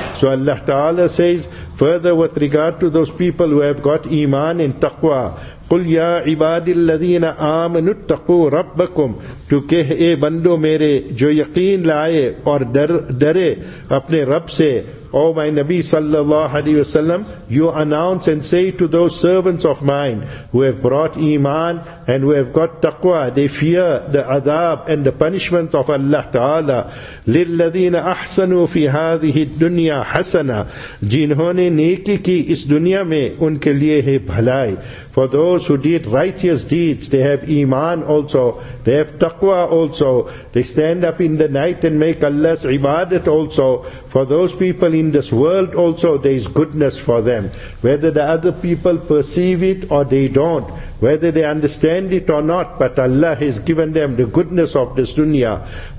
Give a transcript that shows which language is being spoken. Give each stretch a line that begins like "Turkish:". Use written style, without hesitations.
English: So Allah Ta'ala says further with regard to those people who have got iman and taqwa,
Arabic: قُلْ يَا عِبَادِ الَّذِينَ آمَنُوا اتَّقُوا رَبَّكُمْ,
Urdu: to keh اے بندو میرے جو یقین لائے اور درے اپنے رب سے.
English: O my Nabi sallallahu alayhi wa sallam, you announce and say to those servants of mine who have brought iman and who have got taqwa, they fear the adab and the punishment of Allah Ta'ala.
Arabic: لِلَّذِينَ أَحْسَنُوا فِي هَذِهِ الدُّنْيَا حَسَنَا,
Urdu: جِنْهُونَ نیکی کی اس دنیا میں ان کے لیے ہے بھلائی.
English: For those who did righteous deeds, they have iman also, they have taqwa also, they stand up in the night and make Allah's ibadat also. For those people in this world also, there is goodness for them. Whether the other people perceive it or they don't, whether they understand it or not, but Allah has given them the goodness of this dunya.